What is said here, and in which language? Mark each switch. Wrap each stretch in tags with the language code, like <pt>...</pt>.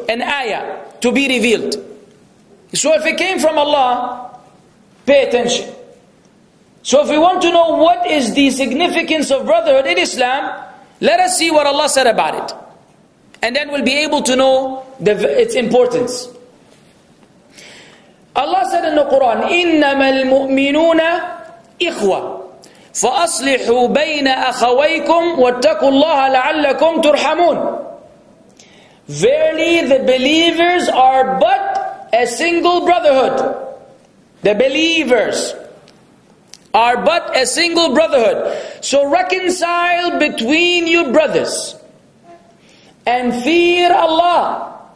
<en>An ayah to be revealed. So if it came from Allah, pay attention. So if we want to know what is the significance of brotherhood in Islam, let us see what Allah said about it. And then we'll be able to know its importance. Allah said in the Quran,</en> <ar>إِنَّمَا الْمُؤْمِنُونَ إِخْوَةً فَأَصْلِحُوا بَيْنَ أَخَوَيْكُمْ وَاتَّقُوا اللَّهَ لَعَلَّكُمْ تُرْحَمُونَ.</ar> <en>Verily the believers are but a single brotherhood. The believers are but a single brotherhood. So reconcile between your brothers and fear Allah.</en>